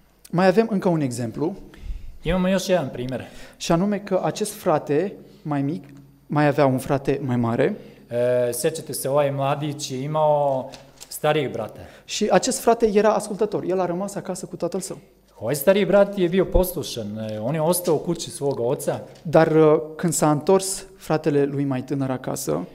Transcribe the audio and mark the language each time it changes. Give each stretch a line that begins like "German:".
Romanian: Mai avem încă un exemplu.
Serbian: Imamo još jedan primer.
Romanian: Și anume că acest frate mai mic mai avea un frate mai mare.
Serbian: Sećate se, ovaj mladić je imao starijeg brata.
Romanian: Și acest frate era ascultător. El a rămas acasă cu tatăl său.
Serbian: Ovaj stariji brat je bio poslušan. On je ostao u kući svoga oca.
Romanian: Dar când s-a întors fratele lui mai tânăr acasă,